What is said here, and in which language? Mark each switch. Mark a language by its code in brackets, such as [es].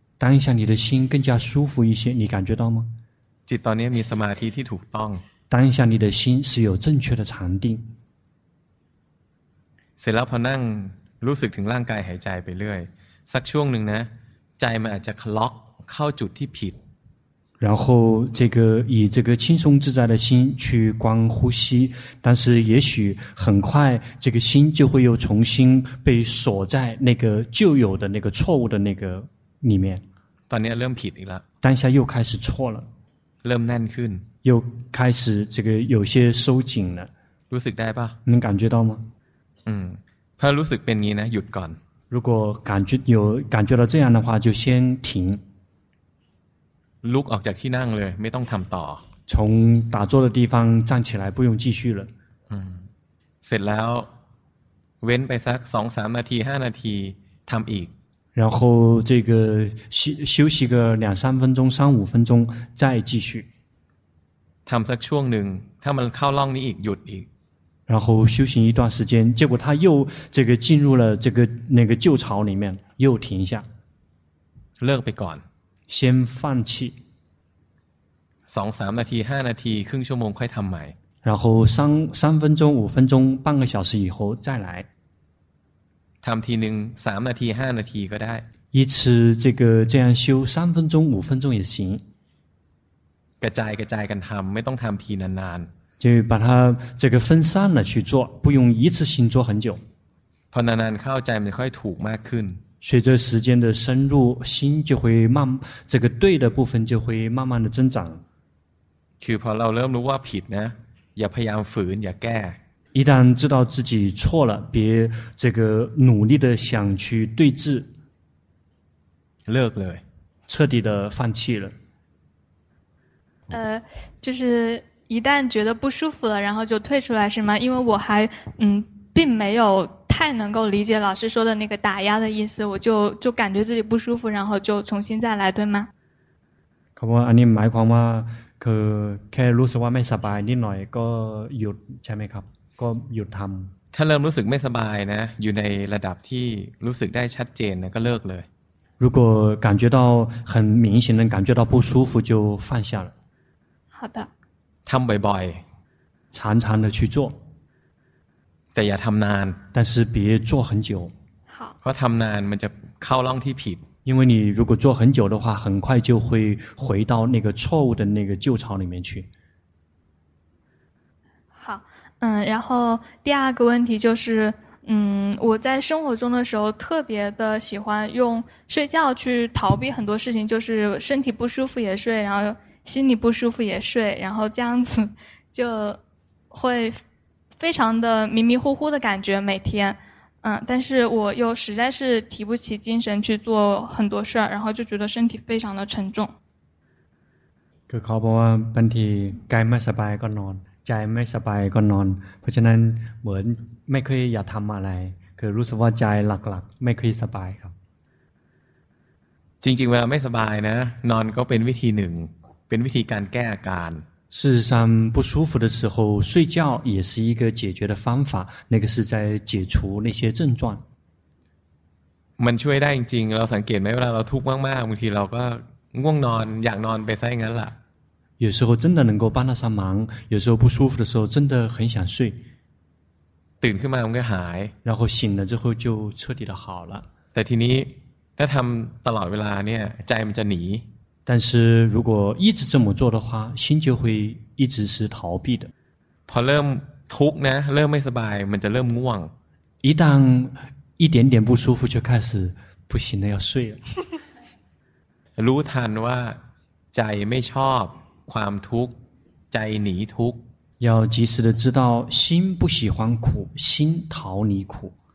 [zh] 当下你的心更加舒服一些你感觉到吗 [th] จิตตอนนี้มีสมาธิที่ถูกต้อง [zh] 当下你的心是有正确的禅定 [th] เสร็จแล้วพอนั่งรู้สึกถึงร่างกายหายใจไปเรื่อยสักช่วงหนึ่งนะใจมันอาจจะคล็อกเข้าจุดที่ผิด [zh] 然后这个以这个轻松自在的心去观呼吸但是也许很快这个心就会又重新被锁在那个旧有的那个错误的那个里面 [th] ตอนนี้เริ่มผิดอีกแล้ว [zh] 当下又开始错了 [th] เริ่มแน่นขึ้น [zh] 又开始这个有些收紧了 [th] รู้สึกได้ป่ะ [zh] 能感觉到吗 [th] ถ้ารู้สึกเป็นงี้นะหยุดก่อน [zh] 如果感觉到这样的话就先停 [th] ลุกออกจากที่นั่งเลยไม่ต้องทำต่อ [zh] 从打坐的地方站起来不用继续了 [th] เสร็จแล้วเว้นไปสัก 2-3 นาที5นาทีทำอีก [zh] 然后这个休息个2-3分钟3-5分钟再继续 [th] ทำสักช่วงหนึ่งถ้ามันเข้าล่องนี้อีกหยุดอีก [zh] 然后修行一段时间结果他又这个进入了这个那个旧潮里面又停下 [th] เลิกไปก่อน [zh] 先放弃 [th] 2-3นาที5นาทีครึ่งชั่วโมงค่อยทำใหม่ [zh] 然后3分钟5分钟半个小时以后再来 [th] ทำทีนึง3นาที5นาทีก็ได้ [zh] 一次这个这样修3分钟5分钟也行 [th] กระจายกันทำไม่ต้องทำทีนานๆ [zh] 就把它这个分散了去做不用一次性做很久 [th] พอนานๆเข้าใจมันค่อยถูกมากขึ้น [zh] 随着时间的深入心就会慢这个对的部分就会慢慢的增长 [th] คือพอเราเริ่มรู้ว่าผิดนะอย่าพยายามฝืนอย่าแก้ [zh] 一旦知道自己错了别这个努力的想去对治 [th] เลิกเลย [zh] 彻底的放弃了就是一旦觉得不舒服了然后就退出来是吗因为我还并没有太能够理解老师说的那个打压的意思我就感觉自己不舒服然后就重新再来对吗 [th] ครับว่าอันนี้หมายความว่าคือแค่รู้สึกว่าไม่สบายนิดหน่อยก็หยุดใช่มั้ยครับก็หยุดทํา ถ้าเริ่มรู้สึกไม่สบายนะอยู่ในระดับที่รู้สึกได้ชัดเจนนะก็เลิกเลย [zh] 如果感觉到很明显的感觉到不舒服就放下了好的 [th] ทำบ่อย [zh] ๆ常常的去做 [th] แต่อย่าทำนาน [zh] 但是别做很久好 [th] เพราะทำนานมันจะเข้าล่องที่ผิด [zh] 因为你如果做很久的话，很快就会回到那个错误的那个旧巢里面去。好，嗯，然后第二个问题就是，我在生活中的时候特别的喜欢用睡觉去逃避很多事情，就是身体不舒服也睡，然后心里不舒服也睡，然后这样子就会非常的迷迷糊糊的感觉每天。嗯，但是我又实在是提不起精神去做很多事儿，然后就觉得身体非常的沉重。 [th] คือเขาบอกว่าบางทีกายไม่สบายก็นอนใจไม่สบายก็นอนเพราะฉะนั้นเหมือนไม่เคยอยากทำอะไรคือรู้สึกว่าใจหลักๆไม่เคยสบายครับ จริงๆเวลาไม่สบายนะนอนก็เป็นวิธีหนึ่งเป็นวิธีการแก้อาการ [zh] 事实上不舒服的时候睡觉也是一个解决的方法那个是在解除那些症状 [th] มันช่วยได้จริงๆเราสังเกตไหมเวลาเราทุกข์มากๆบางทีเราก็ง่วงนอนอยากนอนไปซะอย่างนั้นล่ะ [zh] 有时候真的能够帮得上忙有时候不舒服的时候真的很想睡 [th] ตื่นขึ้นมามันก็หาย [zh] 然后醒了之后就彻底的好了 [th] แต่ทีนี้ถ้าทำตลอดเวลาเนี่ยใจมันจะหนี [zh] 但是如果一直这么做的话心就会一直是逃避的 [th] พอเริ่มทุกข์นะเริ่มไม่สบายมันจะเริ่มง่วง [zh] 一旦一点点不舒服就开始不行了要睡了 [th] รู้ทันว่าใจไม่ชอบความทุกข์ใจหนีทุกข์ [zh] 要及时的知道心不喜欢苦心逃离苦